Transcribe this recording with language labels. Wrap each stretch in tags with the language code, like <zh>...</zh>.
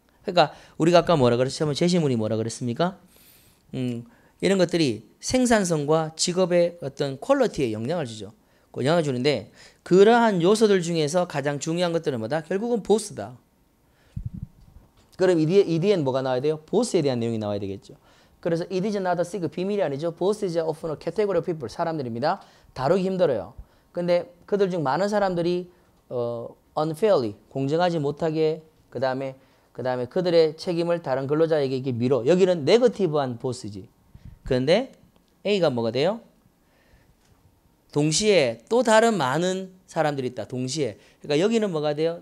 <ko>그러니까 우리가 아까 뭐라 그랬냐면 제시문이 뭐라 그랬습니까? 이런 것들이 생산성과 직업의 어떤 퀄리티에 영향을 주죠. 영향을 주는데 그러한 요소들 중에서 가장 중요한 것들은 뭐다? 결국은 보스다. 그럼 EDN 뭐가 나와야 돼요? 보스에 대한 내용이 나와야 되겠죠. 그래서</ko> <en>it is not a secret,</en> <ko>비밀이 아니죠.</ko> <en>Boss is often a category of people,</en> <ko>사람들입니다. 다루기 힘들어요. 근데 그들 중 많은 사람들이 unfairly, 공정하지 못하게 그 다음에 그들의 책임을 다른 근로자에게 밀어. 여기는 네거티브한 보스지. 그런데 A가 뭐가 돼요? 동시에 또 다른 많은 사람들이 있다. 동시에. 그러니까 여기는 뭐가 돼요?</ko>